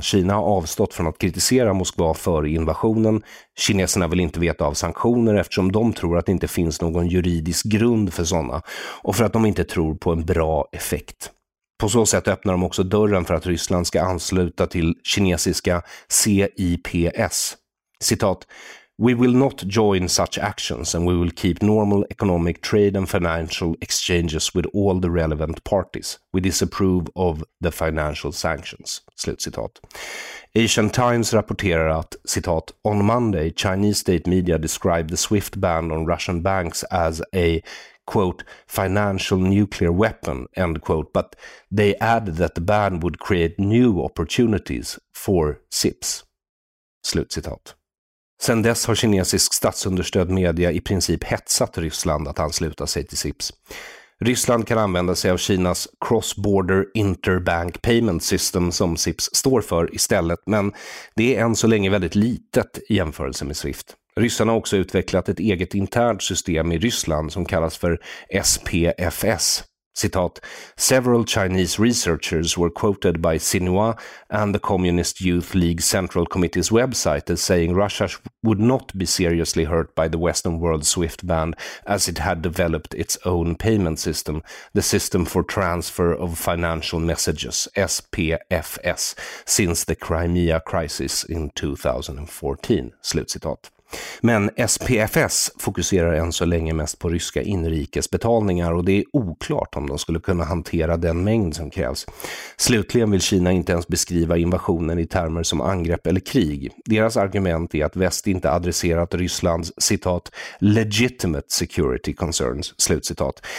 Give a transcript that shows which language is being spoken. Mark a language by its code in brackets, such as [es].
[sv] Kina har avstått från att kritisera Moskva för invasionen. Kineserna vill inte veta av sanktioner eftersom de tror att det inte finns någon juridisk grund för sådana och för att de inte tror på en bra effekt. På så sätt öppnar de också dörren för att Ryssland ska ansluta till kinesiska CIPS. [en] Citat: "We will not join such actions and we will keep normal economic trade and financial exchanges with all the relevant parties. We disapprove of the financial sanctions." [sv] Slutcitat. [en] Asian Times [sv] rapporterar att, citat: [en] "On Monday, Chinese state media described the swift ban on Russian banks as a, quote, financial nuclear weapon, end quote, but they added that the ban would create new opportunities for SIPs." [sv] Slutcitat. Sen dess har kinesisk statsunderstödd media i princip hetsat Ryssland att ansluta sig till SIPS. Ryssland kan använda sig av Kinas cross-border interbank payment system som SIPS står för istället, men det är än så länge väldigt litet i jämförelse med SWIFT. Ryssarna har också utvecklat ett eget internt system i Ryssland som kallas för SPFS. [en] Citat: "Several Chinese researchers were quoted by Xinhua and the Communist Youth League Central Committee's website as saying Russia would not be seriously hurt by the Western world SWIFT ban as it had developed its own payment system, the System for Transfer of Financial Messages, SPFS, since the Crimea crisis in 2014. [sv] Slutcitat. Men SPFS fokuserar än så länge mest på ryska inrikesbetalningar och det är oklart om de skulle kunna hantera den mängd som krävs. Slutligen vill Kina inte ens beskriva invasionen i termer som angrepp eller krig. Deras argument är att väst inte adresserat Rysslands, citat, [en] legitimate security concerns, [sv] slutcitat.